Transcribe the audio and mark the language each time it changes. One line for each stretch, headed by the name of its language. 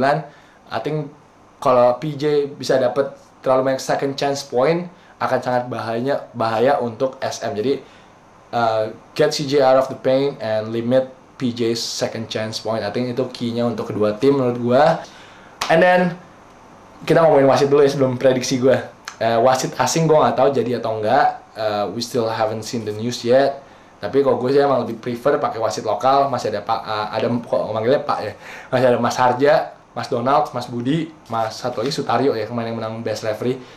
English: I think
Indonesian: kalau PJ bisa dapat terlalu banyak
English: second chance point,
Indonesian: akan sangat bahaya untuk SM.
English: Jadi get CJ out of the paint and limit PJ's second chance point. I think
Indonesian: itu key-nya untuk kedua tim menurut gua.
English: And then
Indonesian: kita ngomongin wasit dulu ya sebelum prediksi gua. Wasit asing gua nggak tahu jadi atau enggak.
English: We still haven't seen the news yet.
Indonesian: Tapi kalau gue sih emang lebih prefer pakai wasit lokal. Masih ada Pak, ada kok manggilnya Pak ya. Masih ada Mas Harja, Mas Donald, Mas Budi, Mas satu lagi Sutario ya, kemarin yang menang Best Referee.